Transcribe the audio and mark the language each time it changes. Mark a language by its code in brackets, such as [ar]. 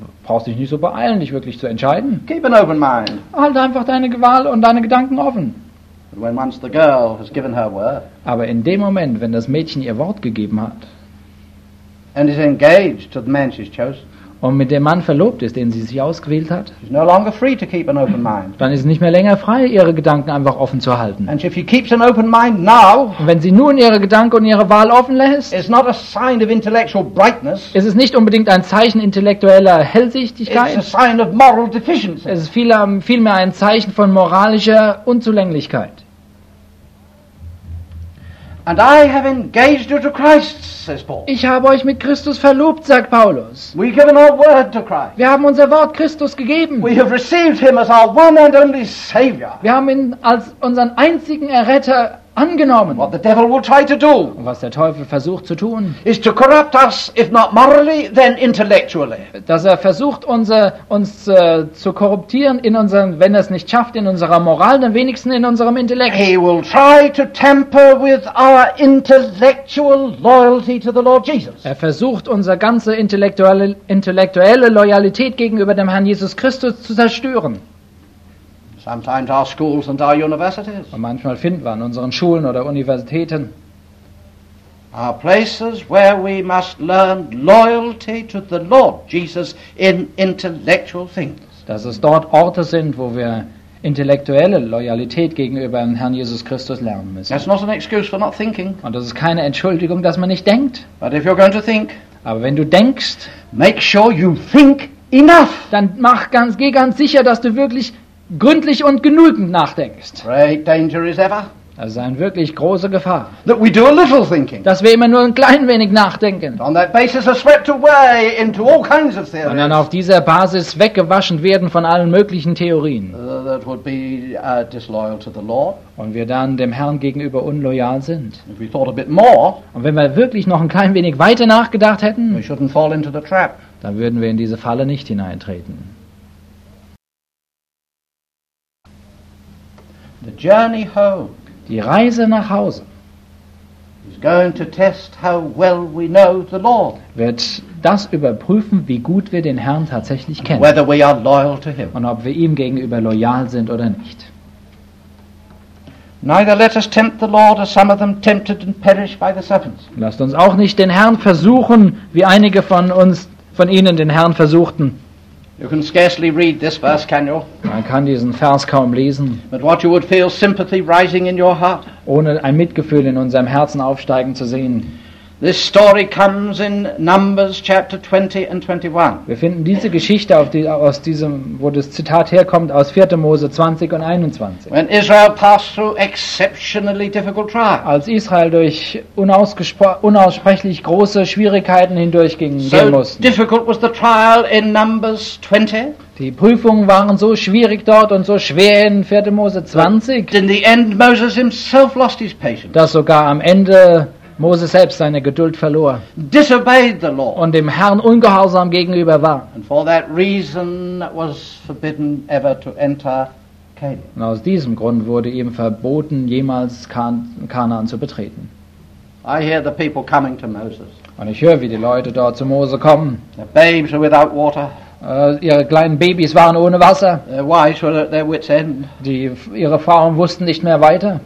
[de] Brauchst dich nicht so beeilen, dich wirklich zu entscheiden. [en] Keep an open mind. [de] Halte einfach deine Wahl und deine Gedanken offen. [en] But when once the girl has given her word. [de] Aber in dem Moment, wenn das Mädchen ihr Wort gegeben hat. [en] And is engaged to the man she's chosen. [de] Und mit dem Mann verlobt ist, den sie sich ausgewählt hat. [en] She's no longer free to keep an open mind. [de] Dann ist sie nicht mehr länger frei, ihre Gedanken einfach offen zu halten. [en] And if she keeps an open mind now, [de] und wenn sie nun ihre Gedanken und ihre Wahl offen lässt, [en] it's not a sign of intellectual brightness. [de] Ist es nicht unbedingt ein Zeichen intellektueller Hellsichtigkeit. [en] It's a sign of moral deficiency. [de] Es ist vielmehr ein Zeichen von moralischer Unzulänglichkeit. [en] And I have engaged you to Christ, says Paul. [de] Ich habe euch mit Christus verlobt, sagt Paulus. [en] We've given our word to Christ. [de] Wir haben unser Wort Christus gegeben. [en] We have received him as our one and only savior. [de] Wir haben ihn als unseren einzigen Erretter angenommen. [en] What the devil will try to do, [de] und was der Teufel versucht zu tun, [en] is to corrupt us, if not morally, then intellectually. [de] Dass er versucht, zu korruptieren, wenn er es nicht schafft, in unserer Moral, dann wenigstens in unserem Intellekt. [en] He will try to tamper with our intellectual loyalty to the Lord Jesus. [de] Er versucht, unsere ganze intellektuelle Loyalität gegenüber dem Herrn Jesus Christus zu zerstören. [en] Sometimes our schools and our universities. [de] Und manchmal finden wir an unseren Schulen oder Universitäten. [en] Our places where we must learn loyalty to the Lord Jesus in intellectual things. [de] Dass es dort Orte sind, wo wir intellektuelle Loyalität gegenüber dem Herrn Jesus Christus lernen müssen. [en] That's not an excuse for not thinking. [de] Und das ist keine Entschuldigung, dass man nicht denkt. [en] But if you're going to think, [de] aber wenn du denkst, [en] make sure you think enough. [de] Dann geh ganz sicher, dass du wirklich gründlich und genügend nachdenkst. [en] Great danger is ever. [de] Das ist eine wirklich große Gefahr. [en] That we do a little thinking. [de] Dass wir immer nur ein klein wenig nachdenken. [en] On that basis are swept away into all kinds of theories. [de] Und dann auf dieser Basis weggewaschen werden von allen möglichen Theorien. [en] That would be disloyal to the Lord. [de] Und wir dann dem Herrn gegenüber unloyal sind. [en] If we thought a bit more, [de] und wenn wir wirklich noch ein klein wenig weiter nachgedacht hätten, [en] we shouldn't fall into the trap. [de] Dann würden wir in diese Falle nicht hineintreten. [en] The journey home. [de] Die Reise nach Hause. [en] Is going to test how well we know the Lord. [de] Wird das überprüfen, wie gut wir den Herrn tatsächlich kennen. [en] Whether we are loyal to him. [de] Und ob wir ihm gegenüber loyal sind oder nicht. [en] Neither let us tempt the Lord, as some of them tempted and perished by the serpents. [de] Lasst uns auch nicht den Herrn versuchen, wie einige von uns, von ihnen den Herrn versuchten. [en] You can scarcely read this verse, can you? [de] Man kann diesen Vers kaum lesen. [en] But what you would feel sympathy rising in your heart. [de] Ohne ein Mitgefühl in unserem Herzen aufsteigen zu sehen. [en] This story comes in Numbers chapter 20 and 21. [de] Wir finden diese Geschichte auf die, aus diesem, wo das Zitat herkommt, aus 4. Mose 20 und 21. [en] When Israel passed through exceptionally difficult trials. [de] Als Israel durch unaussprechlich große Schwierigkeiten hindurchging, so mussten. [en] Difficult was the trial in Numbers 20. [de] Die Prüfungen waren so schwierig dort und so schwer in 4. Mose 20. [en] But in the end Moses himself lost his patience. [de] Dass sogar am Ende Mose selbst seine Geduld verlor. [en] Disobeyed the law. [de] Und dem Herrn ungehorsam gegenüber war. [en] And for that reason was forbidden ever to enter Canaan. [de] Und aus diesem Grund wurde ihm verboten, jemals Kanaan zu betreten. [en] I hear the people coming to Moses. [de] Und ich höre, wie die Leute dort zu Mose kommen. [en] The babes are without water. [de] Ihre kleinen Babys waren ohne Wasser. [en] Their wives were at their wit's end. [de] Ihre Frauen wussten nicht mehr weiter.